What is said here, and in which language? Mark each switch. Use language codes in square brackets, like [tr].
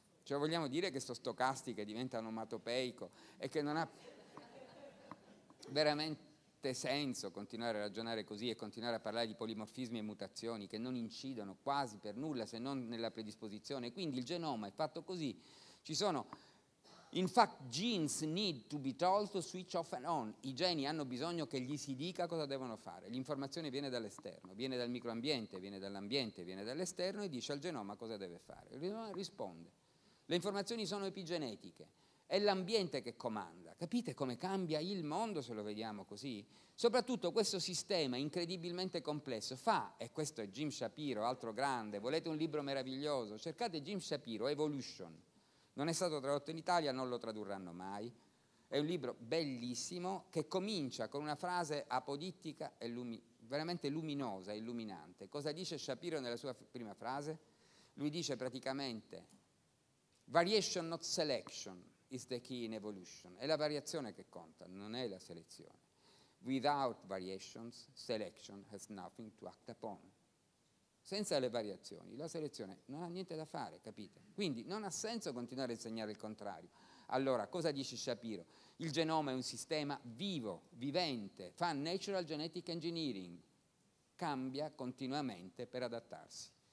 [it] Cioè, vogliamo dire che sto stocastiche diventa onomatopeico e che non ha veramente senso continuare a ragionare così e continuare a parlare di polimorfismi e mutazioni che non incidono quasi per nulla se non nella predisposizione. Quindi il genoma è fatto così. Ci sono... [en] In fact, genes need to be told to switch off and on. [it] I geni hanno bisogno che gli si dica cosa devono fare. L'informazione viene dall'esterno, viene dal microambiente, viene dall'ambiente, viene dall'esterno e dice al genoma cosa deve fare. Il genoma risponde. Le informazioni sono epigenetiche. È l'ambiente che comanda. Capite come cambia il mondo se lo vediamo così? Soprattutto questo sistema incredibilmente complesso fa, e questo è Jim Shapiro, altro grande, volete un libro meraviglioso? Cercate Jim Shapiro, Evolution. Non è stato tradotto in Italia, non lo tradurranno mai. È un libro bellissimo che comincia con una frase apodittica e veramente luminosa, illuminante. Cosa dice Shapiro nella sua prima frase? Lui dice praticamente [en] variation not selection is the key in evolution. [it] È la variazione che conta, non è la selezione. [en] Without variations, selection has nothing to act upon. [it] Senza le variazioni, la selezione non ha niente da fare, capite? Quindi non ha senso continuare a insegnare il contrario. Allora, cosa dice Shapiro? Il genoma è un sistema vivo, vivente, fa natural genetic engineering, cambia continuamente per adattarsi.